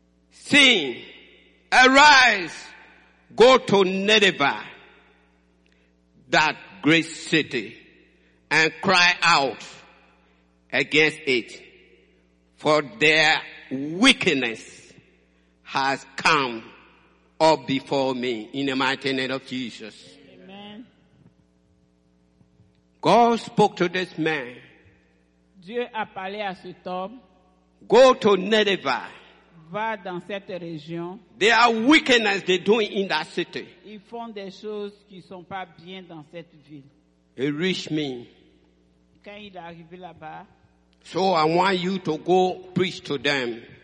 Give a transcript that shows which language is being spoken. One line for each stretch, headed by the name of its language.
English: Sing, arise, go to Nineveh, that great city, and cry out against it, for their wickedness has come up before me, in the mighty name of Jesus. Amen. God spoke to this man.
French: Dieu a parlé à cet homme.
English: Go to Nineveh.
French: Va dans cette région.
English: There are wickedness they doing in that city.
French: Ils font des choses qui sont pas bien dans cette ville.
English: He reached me.
French: Quand il est arrivé là-bas.
English: So I want you to go preach to them.